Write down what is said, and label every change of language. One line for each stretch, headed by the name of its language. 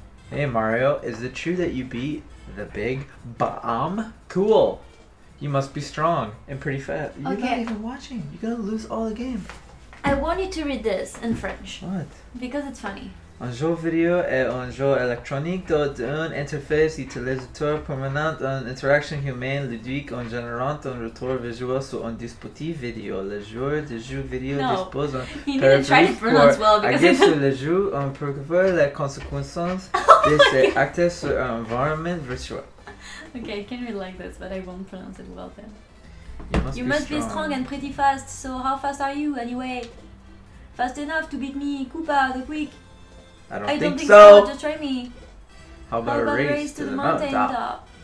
English: Hey Mario, is it true that you beat the big bomb? Cool. You must be strong and pretty fat. You're not even watching. You're gonna lose all the game. I want you to read this in French. What? Because it's funny.
French: Un jeu vidéo est un jeu électronique dont une interface utilisateur permanente une interaction humaine ludique en générant un retour visuel sur un dispositif vidéo. Le joueur de jeu vidéo dispose d'un périphérique pour agir sur le jeu en percevoir les conséquences de ses actes sur un environnement virtuel.
English: Okay, I can read like this, but I won't pronounce it well then. You must be strong and pretty fast, so how fast are you anyway? Fast enough to beat me, Koopa, the quick. I don't think so. Just try me. How about a race to the mountain top?